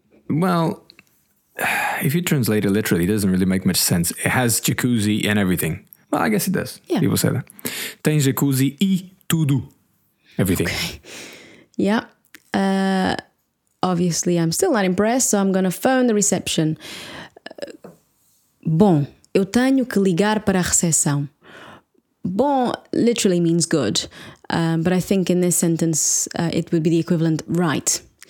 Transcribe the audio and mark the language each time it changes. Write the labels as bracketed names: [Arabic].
[English] Well, if you translate it literally, it doesn't really make much sense. It has jacuzzi and everything. Well, I guess it does. Yeah. People say that. [Portuguese] Tem jacuzzi e tudo. [English] Everything. Okay. Yeah. Obviously, I'm still not impressed, so I'm going to phone the reception. [Portuguese] Bom, eu tenho que ligar para a recepção. [English] Bom literally means good, but I think in this sentence it would be the equivalent, right.